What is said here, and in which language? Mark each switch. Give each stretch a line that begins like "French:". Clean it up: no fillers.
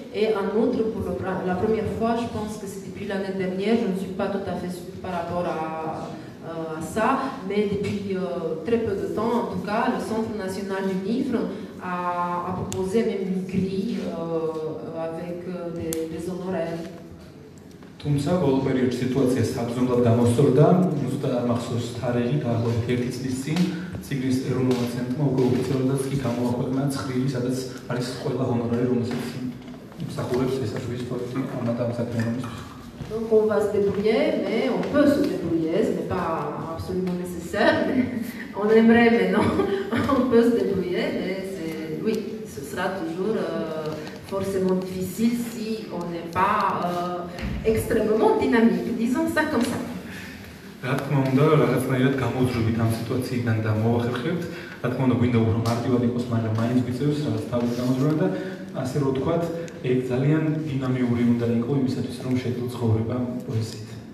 French: Et en outre, pour la première fois, je pense que c'était depuis l'année dernière, je ne suis pas tout à fait sûre par rapport à ça, mais depuis très peu de temps, en tout cas, le Centre national du livre a proposé même une grille avec des honoraires.
Georgian: თუმცა ბოლო პერიოდში სიტუაცია საგრძნობლად გამოსწორდა, ზუსტად არ მახსოვს თარიღი, დაახლოებით ერთი წლის წინ ციგნის ეროვნულმა ცენტრმა უკვე ოფიციალურად კი გამოაქვეყნა ცხრილი, სადაც არის ყველა ჰონორარი, რომელსაც იმსახურებს ესაჭვის პოეტი ამ და საქმიანობისთვის.
French: Donc on va se débrouiller, mais on peut se débrouiller, ce n'est pas absolument nécessaire. On aimerait, mais non, on peut se débrouiller, mais oui, ce sera toujours forcément difficile si on n'est pas extrêmement dynamique, disons ça comme ça.
Georgian: რა თქმა უნდა, რაღაცნაირად გამოძრუბით ამ სიტუაციიდან და მოახერხებთ. რა თქმა უნდა, გვინდა უფრო მარტივად იყოს, მაგრამ მაინც გიწევს რაღაც თავის გამოძრუება და ასე რომ ვთქვათ, ეგ ძალიან დინამიური უნდა იყოს იმისათვის, რომ შეძლო ცხოვრება პოეზიით.